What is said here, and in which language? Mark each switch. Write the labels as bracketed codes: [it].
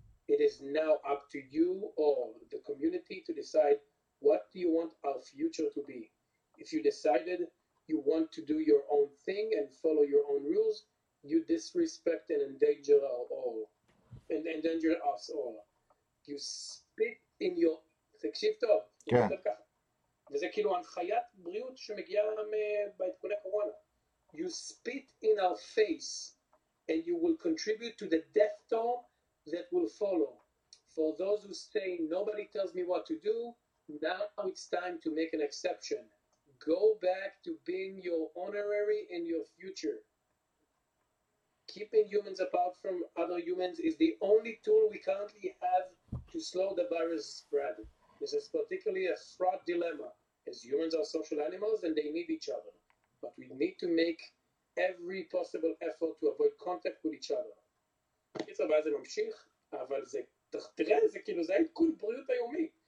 [en] It is now up to you all, the community, to decide what do you want our future to be. If you decided you want to do your own thing and follow your own rules, you disrespect and endanger our all, and endanger us all. You spit in your... [he] תקשיב טוב. כן. וזה כאילו הנחיית בריאות שמגיעה בעדכוני קורונה. [en] You spit in our face and you will contribute to the death toll that will follow. For those who say, nobody tells me what to do, now it's time to make an exception. Go back to being your honorary in your future. Keeping humans apart from other humans is the only tool we currently have to slow the virus spread. This is particularly a fraught dilemma, as humans are social animals and they need each other. But we need to make every possible effort to avoid contact with each other. [he] קיצר, ואז זה ממשיך, אבל זה, תראה, זה כאילו, זה היה כל בריאות היומי.